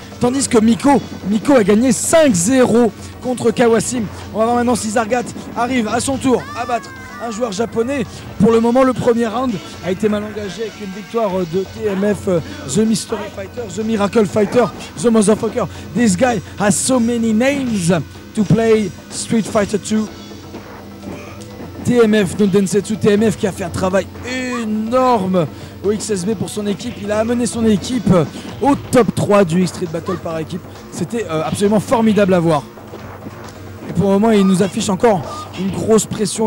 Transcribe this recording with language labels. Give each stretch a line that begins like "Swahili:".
French: Tandis que Miko a gagné 5-0 contre Kawasim. On va voir maintenant si Zargat arrive à son tour à battre un joueur japonais. Pour le moment, le premier round a été mal engagé avec une victoire de TMF, The Mystery Fighter, The Miracle Fighter, The Motherfucker.
English: This guy has so many names to play Street Fighter 2.
French: TMF, Nodensetsu, TMF qui a fait un travail énorme au XSB pour son équipe. Il a amené son équipe au top 3 du X-Street Battle par équipe. C'était absolument formidable à voir. Et pour le moment, il nous affiche encore une grosse pression.